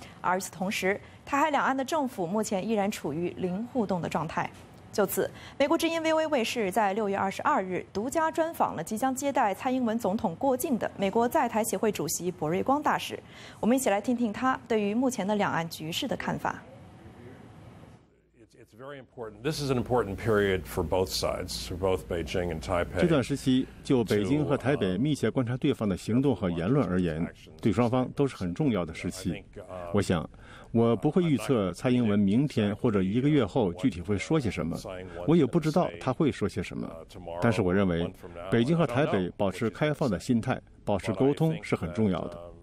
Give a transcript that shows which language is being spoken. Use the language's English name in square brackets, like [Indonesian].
[Chinese] 而与此同时，台海两岸的政府目前依然处于零互动的状态。就此，美国之音 VOA 卫视在6月22日独家专访了即将接待蔡英文总统过境的美国在台协会主席柏瑞光大使。我们一起来听听他对于目前的两岸局势的看法。 [English] This is an important period for both sides, for both Beijing and Taipei. [Chinese] 这段时期就北京和台北密切观察对方的行动和言论而言，对双方都是很重要的时期。我想，我不会预测蔡英文明天或者一个月后具体会说些什么，我也不知道他会说些什么。但是我认为，北京和台北保持开放的心态，保持沟通是很重要的。